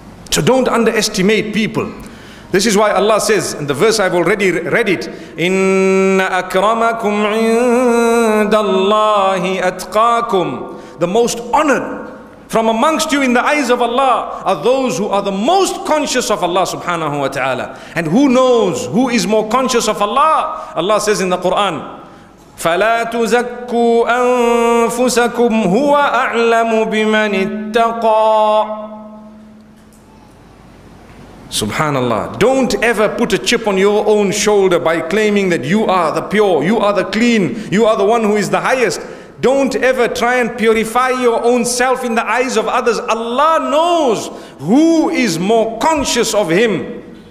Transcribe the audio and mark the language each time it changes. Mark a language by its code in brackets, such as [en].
[en] So don't underestimate people. This is why Allah says, and the verse I've already read it, [ar] Inna akramakum indallahi atqakum. [en] The most honored from amongst you in the eyes of Allah are those who are the most conscious of Allah subhanahu wa ta'ala. And who knows who is more conscious of Allah? Allah says in the Quran, [ar] فَلَا تُزَكُّوا أَنفُسَكُمْ هُوَ أَعْلَمُ بِمَنِ اتَّقَى. [en] Subhanallah, don't ever put a chip on your own shoulder by claiming that you are the pure, you are the clean, you are the one who is the highest. Don't ever try and purify your own self in the eyes of others. Allah knows who is more conscious of Him.